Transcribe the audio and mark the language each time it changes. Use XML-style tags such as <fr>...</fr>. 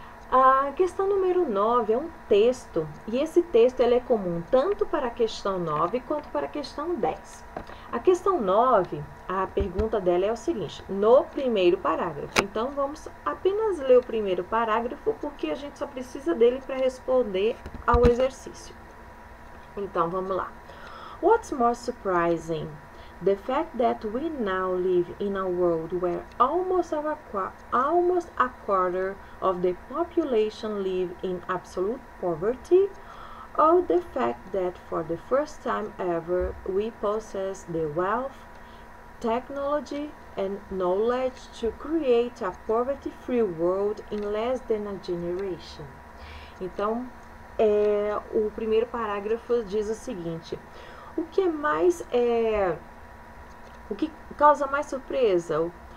<pt>A questão número 9 é um texto, e esse texto ele é comum tanto para a questão 9 quanto para a questão 10. A questão 9, a pergunta dela é o seguinte: no primeiro parágrafo. Então, vamos apenas ler o primeiro parágrafo porque a gente só precisa dele para responder ao exercício. Então, vamos lá.</pt> <en>What's more surprising? The fact that we now live in a world where almost a quarter of the population live in absolute poverty, or the fact that for the first time ever we possess the wealth, technology, and knowledge to create a poverty-free world in less than a generation.</en> <pt>Então, o primeiro parágrafo diz o seguinte: o que mais é. O que causa mais surpresa?</pt>